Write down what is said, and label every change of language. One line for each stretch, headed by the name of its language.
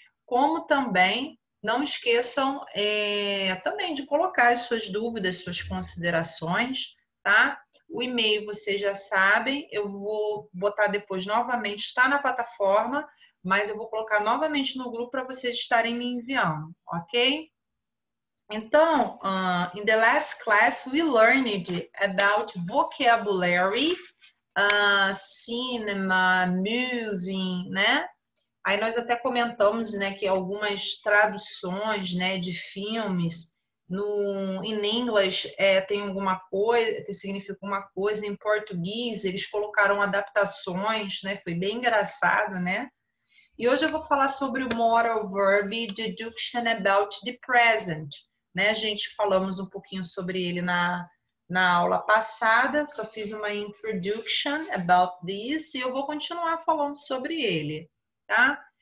Portuguese: Como também não esqueçam também de colocar as suas dúvidas, suas considerações, tá? O e-mail vocês já sabem, eu vou botar depois novamente, está na plataforma. Mas eu vou colocar novamente no grupo para vocês estarem me enviando, ok? Então,
English: in the last class, we learned about vocabulary, cinema, movie, né?
Portuguese: Aí nós até comentamos, né, que algumas traduções, né, de filmes no
English: in English
Portuguese: tem alguma coisa, significa uma coisa, em português eles colocaram adaptações, né? Foi bem engraçado, né? E hoje eu vou falar sobre o modal verb
English: deduction about the present,
Portuguese: né? A gente falamos um pouquinho sobre ele na aula passada, só fiz uma
English: introduction about this
Portuguese: e eu vou continuar falando sobre ele, tá?